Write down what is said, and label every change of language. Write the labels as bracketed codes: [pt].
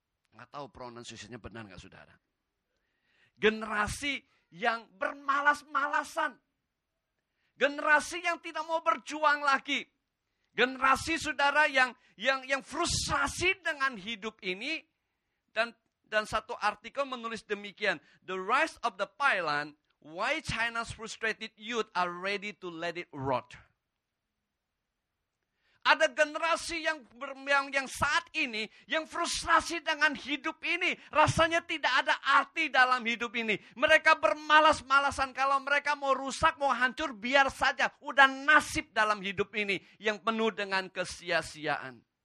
[id] Nggak tahu pronunciation-nya benar nggak, saudara. Generasi yang bermalas-malasan. Generasi yang tidak mau berjuang lagi. Generasi, saudara, yang frustrasi dengan hidup ini. Dan satu artikel menulis demikian. [en] The rise of the pailan, why China's frustrated youth are ready to let it rot. [id] Ada generasi yang saat ini yang frustrasi dengan hidup ini. Rasanya tidak ada arti dalam hidup ini. Mereka bermalas-malasan. Kalau mereka mau rusak, mau hancur, biar saja. Udah nasib dalam hidup ini yang penuh dengan kesia-siaan.